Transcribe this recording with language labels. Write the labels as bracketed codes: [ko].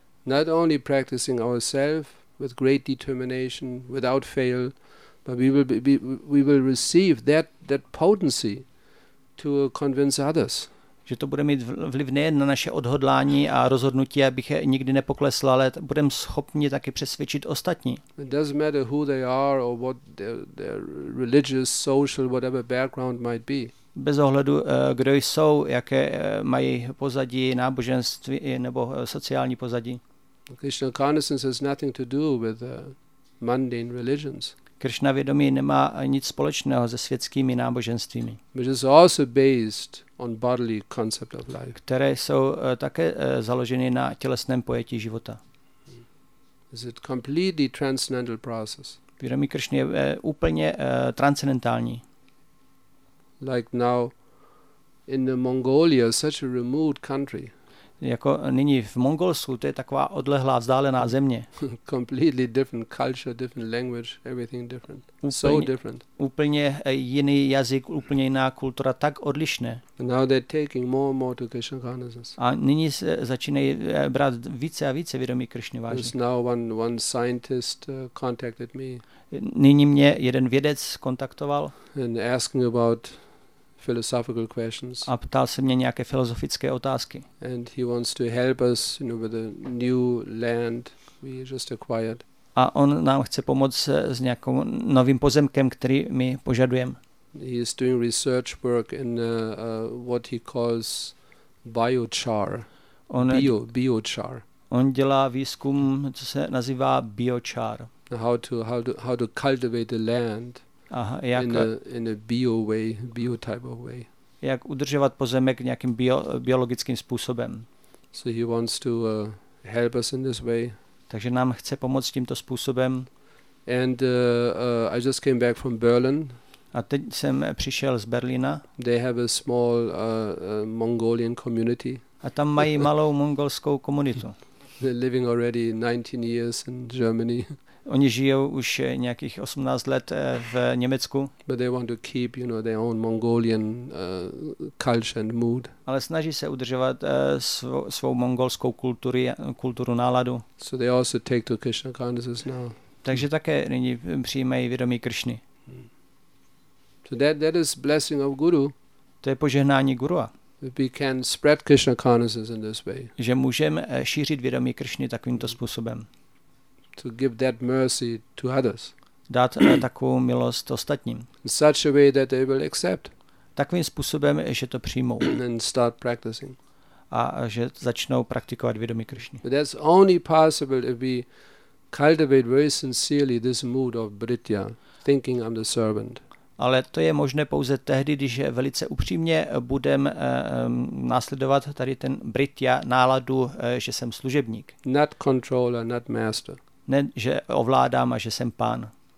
[en] Not only practicing ourselves with great determination, without fail, but we will receive that potency to convince others. [cs] Že to bude mít vliv nejen na naše odhodlání a rozhodnutí, abych je nikdy nepoklesl, ale budeme schopni taky přesvědčit ostatní. [en] It doesn't matter who they are or what their religious, social, whatever background might be. [cs] Bez ohledu, kdo jsou, jaké mají pozadí, náboženství nebo sociální pozadí. [en] Krishna consciousness has nothing to do with mundane religions. [cs] Krishna vědomí nemá nic společného se světskými náboženstvími. [en] Which is also based on bodily concept of life. [cs] Které jsou také založeny na tělesném pojetí života. [en] Is it completely transcendental process? [cs] Vědomí Krishna je úplně transcendentální. [en] Like now in the Mongolia, such a remote country. [cs] Jako nyní v Mongolsku, to je taková odlehlá, vzdálená země. [en] Completely different culture, different language, everything different. [cs] Úplně, [en] so different. [cs] Úplně jiný jazyk, úplně jiná kultura, tak odlišné. [en] Now they're taking more and more to Krishna consciousness. [cs] A nyní se začínají brát více a více vědomí Kršny vážně. [en] Just now one scientist contacted me. [cs] Nyní mě jeden vědec kontaktoval. [en] And asking about philosophical questions. [cs] A ptal se mě nějaké filozofické otázky. [en] And he wants to help us, you know, with the new land we just acquired. [cs] A on nám chce pomoct s nějakým novým pozemkem, který my požadujeme. [en] He is doing research work in what he calls biochar. [cs] On [en] biochar. [cs] On dělá výzkum, co se nazývá biochar. [en] how to cultivate the land. [cs] Aha, jak [en] in a bio way, bio type of way. [cs] Jak udržovat pozemek nějakým biologickým způsobem. [en] So he wants to help us in this way. [cs] Takže nám chce pomoct tímto způsobem. [en] And I just came back from Berlin. [cs] A teď jsem přišel z Berlína. [en] They have a small Mongolian community. [cs] A tam mají malou mongolskou komunitu. [en] They're living already 19 years in Germany. [cs] Oni žijou už nějakých 18 let v Německu. [en] But they want to keep, you know, their own Mongolian culture and mood. [cs] Ale snaží se udržovat svou mongolskou kulturu náladu. [en] So they also take to Krishna consciousness now. [cs] Takže také nyní přijímají vědomí Kršny. [en] So that is blessing of guru. [cs] To je požehnání gurua. [en] We can spread Krishna consciousness in this way. [cs] Že můžeme šířit vědomí Kršny takovýmto způsobem. [en] To give that mercy to others. [cs] Dát takovou milost ostatním. [en] In such a way that they will accept. [cs] Takovým způsobem, že to přijmou. [en] And start practicing. [cs] A že začnou praktikovat vědomí Kršny. [en] But that's only possible if we cultivate very sincerely this mood of britya, thinking I'm the servant. [cs] Ale to je možné pouze tehdy, když velice upřímně budem následovat tady ten britya náladu, že jsem služebník. [en] Not controller, not master. [cs] Ne, že ovládám a že jsem pán.